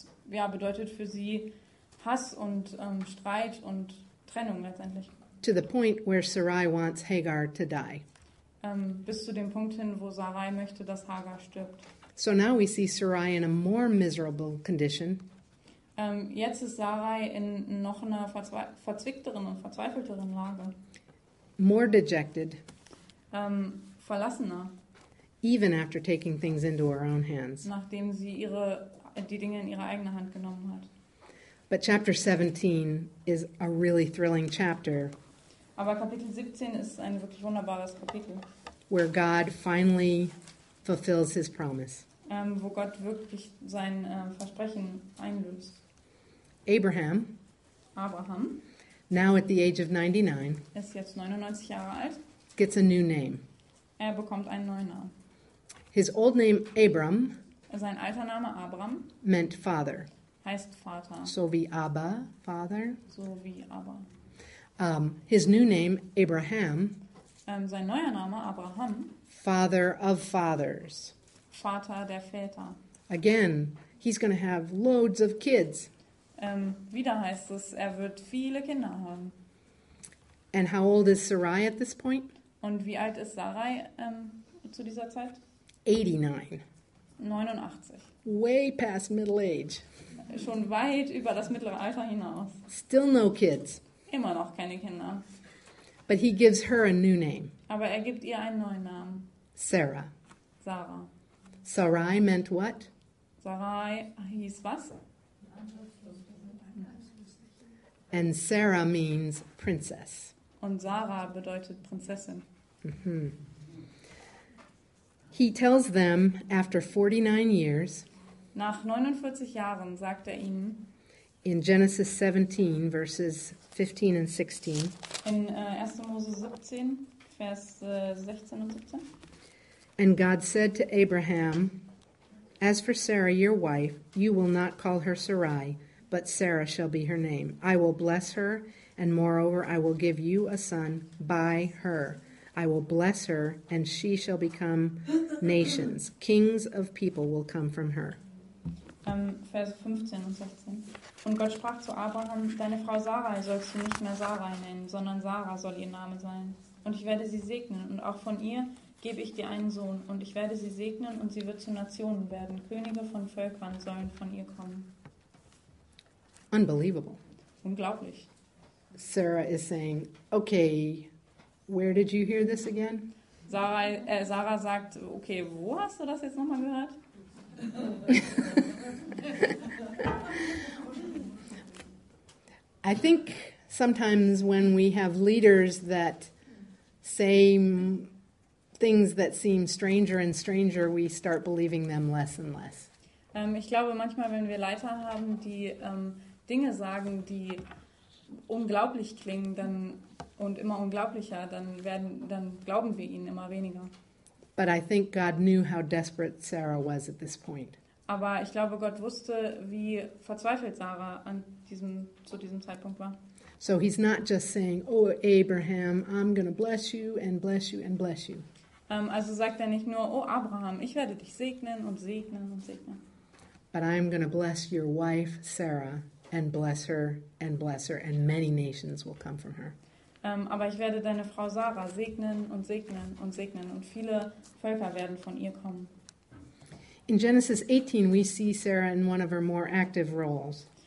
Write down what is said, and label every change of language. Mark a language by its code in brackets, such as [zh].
[de] Bedeutet für sie Hass und Streit und Trennung letztendlich. [en] To the point where Sarai wants Hagar to die. [de] Bis zu dem Punkt hin, wo Sarai möchte, dass Hagar stirbt. [en] So now we see Sarai in a more miserable condition. [de] Jetzt ist Sarai in noch einer verzwickteren und verzweifelteren Lage. [en] More dejected. [de] Verlassener. [en] Even after taking things into her own hands. [de] Nachdem sie die Dinge in ihre eigene Hand genommen hat. [en] But chapter 17 is a really thrilling chapter. [de] Aber Kapitel 17 ist ein wirklich wunderbares Kapitel. [en] Where God finally fulfills his promise. [de] Wo Gott wirklich sein Versprechen einlöst. [en] Abraham, now at the age of 99, [de] ist jetzt 99 Jahre alt, [en] gets a new name. [de] Er bekommt einen neuen Namen. [en] His old name Abram, [de] sein alter Name Abram, [en] meant father. [de] Heißt Vater. So wie Abba, [en] father. [de] So wie Abba. [en] His new name Abraham, [de] sein neuer Name Abraham, [en] father of fathers. [de] Vater der Väter. [en] Again, he's going to have loads of kids. [de] Wieder heißt es, er wird viele Kinder haben. [en] And how old is Sarai at this point? [de] Und wie alt ist Sarai zu dieser Zeit? [en] 89. Way past middle age. [de] Schon weit über das mittlere Alter hinaus. [en] Still no kids. [de] Immer noch keine Kinder. [en] But he gives her a new name. [de] Aber er gibt ihr einen neuen Namen. [en] Sarah. [de] Sarah. [en] Sarai meant what? [de] Sarai hieß was? [en] And Sarah means princess. [de] Und Sarah bedeutet Prinzessin. Mm-hmm. [en] He tells them after 49 years. [de] Nach 49 Jahren sagt er ihnen. [en] In Genesis 17, verses 15 and 16. [de] In 1. Mose 17, Vers 16 und 17. [en] And God said to Abraham, "As for Sarah, your wife, you will not call her Sarai, but Sarah shall be her name. I will bless her, and moreover, I will give you a son by her. I will bless her, and she shall become nations. Kings of people will come from her." [de] Verse 15 und 16. Und Gott sprach zu Abraham, "Deine Frau Sarai sollst du nicht mehr Sarai nennen, sondern Sarah soll ihr Name sein. Und ich werde sie segnen, und auch von ihr gebe ich dir einen Sohn. Und ich werde sie segnen, und sie wird zu Nationen werden. Könige von Völkern sollen von ihr kommen." [en] Unbelievable. [de] Unglaublich. [en] Sarah is saying, "Okay, where did you hear this again?" [de] Sarah sagt, "Okay, wo hast du das jetzt nochmal gehört?" [en] I think sometimes when we have leaders that say things that seem stranger and stranger, we start believing them less and less. [de] Ich glaube, manchmal, wenn wir Leiter haben, die Dinge sagen, die unglaublich klingen, dann und immer unglaublicher, dann glauben wir ihnen immer weniger. [en] But I think God knew how desperate Sarah was at this point. [de] Aber ich glaube, Gott wusste, wie verzweifelt Sarah zu diesem Zeitpunkt war. [en] So he's not just saying, "Oh Abraham, I'm going to bless you and bless you and bless you." [de] Also sagt er nicht nur, "Oh Abraham, ich werde dich segnen und segnen und segnen." [en] But I'm going to bless your wife Sarah and bless her and bless her, and many nations will come from her. [de] Aber ich werde deine Frau Sarah segnen und segnen und segnen, und viele Völker werden von ihr kommen. [en] In Genesis 18 we see Sarah in one of her more active roles.